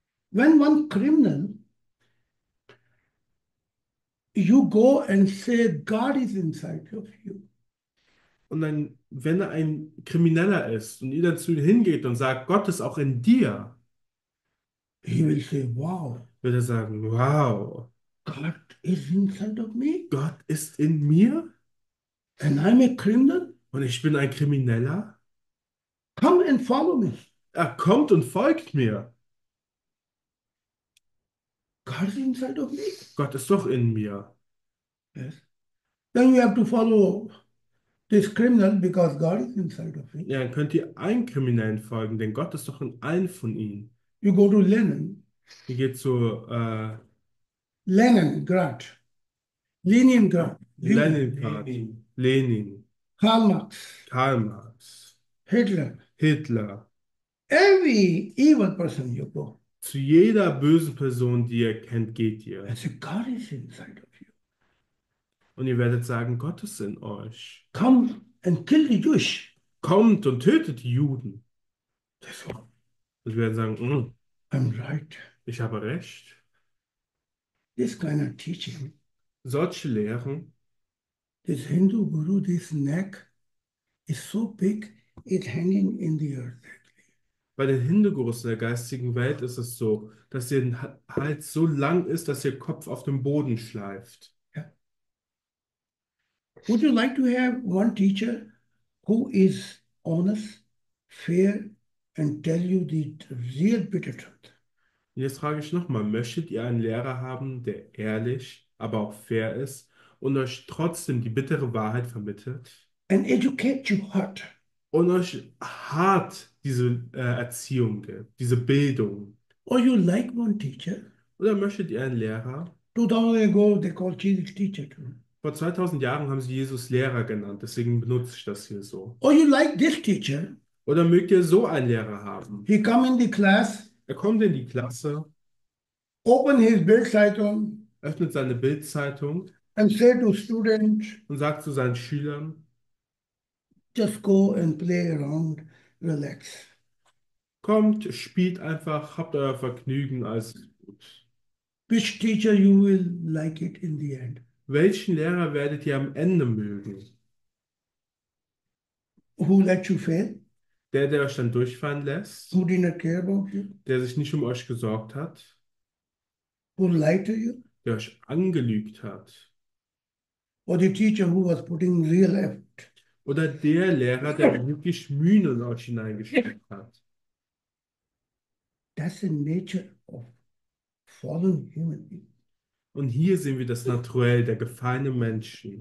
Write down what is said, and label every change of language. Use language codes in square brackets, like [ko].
[en] When one criminal, you go and say God is inside of you. [de] Und dann, wenn er ein Krimineller ist und ihr dann zu ihm hingeht und sagt, Gott ist auch in dir, [en] He will say, wow, [de] wird er sagen, wow, [en] God is inside of me? [de] Gott ist in mir [en] And I'm a criminal? [de] und ich bin ein Krimineller. [en] Come and follow me. [de] Er kommt und folgt mir. [en] God is inside of me? [de] Gott ist doch in mir. [en] Yes. Then you have to follow this criminal because God is inside of me. [de] Ja, dann könnt ihr allen Kriminellen folgen, denn Gott ist doch in allen von ihnen. [en] You go to Lenin. [de] Ihr geht zu [en] Leningrad. Leningrad. Lenin. [de] Leningrad, Lenin, [en] Karl Marx. [de] Karl Marx, [en] Hitler. [de] Hitler. [en] Every evil person you go. [de] Zu jeder bösen Person, die ihr kennt, geht ihr. [en] There's a God is inside of you. [de] Und ihr werdet sagen, Gott ist in euch. [en] Come and kill the Jewish. [de] Kommt und tötet die Juden. [en] That's all. [de] Und wir werden sagen, [en] I'm right. [de] ich habe recht. [en] This kind of teaching. [de] Solche Lehren. [en] This Hindu Guru, this neck is so big, it's hanging in the earth. [de] Bei den Hindu-Gurus in der geistigen Welt ist es so, dass ihr Hals so lang ist, dass ihr Kopf auf dem Boden schleift. [en] Would you like to have one teacher who is honest, fair and tell you the real bitter truth? [de] Jetzt frage ich nochmal, möchtet ihr einen Lehrer haben, der ehrlich, aber auch fair ist und euch trotzdem die bittere Wahrheit vermittelt? [en] And educate your heart. [de] Und euch hart diese Erziehung gibt, diese Bildung. [en] Or you like one teacher? [de] Oder möchtet ihr einen Lehrer? [en] 2000 ago they called Jesus teacher. [de] Vor 2000 Jahren haben sie Jesus Lehrer genannt, deswegen benutze ich das hier so. [en] Or you like this teacher? [de] Oder mögt ihr so einen Lehrer haben? [en] He come in the class, [de] Er kommt in die Klasse, [en] open his Bildzeitung [de] öffnet seine Bildzeitung [en] and say to student. [de] und sagt zu seinen Schülern, [en] Just go and play around, relax. [de] kommt, spielt einfach, habt euer Vergnügen, alles ist gut. [en] Which teacher you will like it in the end? [de] Welchen Lehrer werdet ihr am Ende mögen? [en] Who let you fail? [de] Der, der euch dann durchfallen lässt? [en] Who did not care about you? [de] Der sich nicht um euch gesorgt hat? [en] Who lied to you? [de] Der euch angelügt hat? [en] Or the teacher who was putting real effort? [de] Oder der Lehrer, der wirklich Mühen in euch hineingesteckt hat? [en] That's the nature of fallen human [de] Und hier sehen wir das Naturell der gefallenen Menschen.